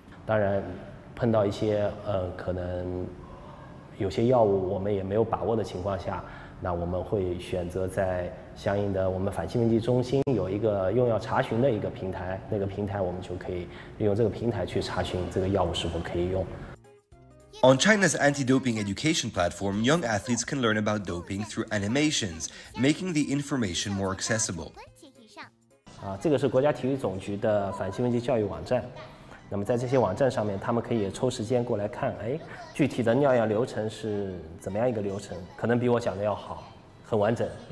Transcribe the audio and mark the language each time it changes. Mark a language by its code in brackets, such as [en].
[zh] 当然碰到一些可能有些药物我们也没有把握的情况下，那我们会选择在相应的我们反兴奋剂中心有一个用药查询的一个平台，那个平台我们就可以利用这个平台去查询这个药物是否可以用。 [en] On China's anti-doping education platform, young athletes can learn about doping through animations, making the information more accessible. [zh] 这个是国家体育总局的反兴奋剂教育网站。那么在这些网站上面，他们可以抽时间过来看，具体的尿样流程是怎么样一个流程，可能比我讲的要好，很完整。